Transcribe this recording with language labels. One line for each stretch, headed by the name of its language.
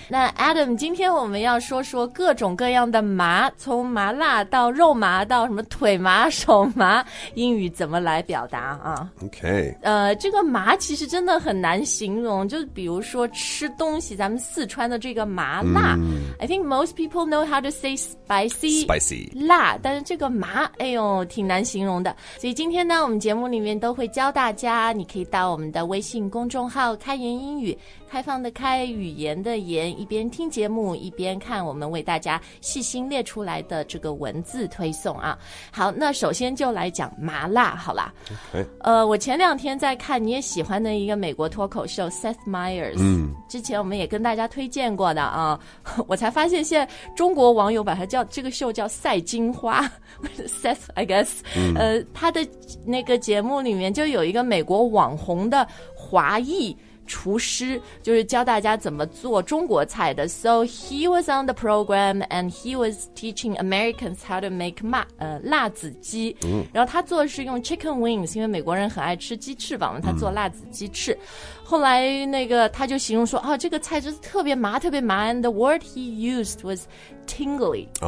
Chinese: 那 Adam， 今天我们要说说各种各样的麻，从麻辣到肉麻到什么腿麻、手麻，英语怎么来表达啊
English: ？Okay.
Chinese: 这个麻其实真的很难形容，就比如说吃东西，咱们四川的这个麻辣。
English: I think most people know how to say spicy. Spicy.
Chinese: 辣，但是这个麻，哎呦，挺难形容的。所以今天呢，我们节目里面都会教大家，你可以到我们的微信公众号开言英语，开放的开，语言的言，一边听节目一边看我们为大家细心列出来的这个文字推送啊。好，那首先就来讲麻辣好了。
English: Okay.
Chinese: 我前两天在看你也喜欢的一个美国脱口秀 Seth Meyers、之前我们也跟大家推荐过的啊，我才发现现在中国网友把他叫这个秀叫赛金花Seth I guess、他的那个节目里面就有一个美国网红的华裔厨师，就是教大家怎么做中国菜的。
English: So he was on the program and he was teaching Americans how to make
Chinese: 辣子鸡、然后他做的是用 chicken wings， 因为美国人很爱吃鸡翅膀，他做辣子鸡翅、后来那个他就形容说、这个菜就是特别麻特别麻，
English: and the word he used was tingly、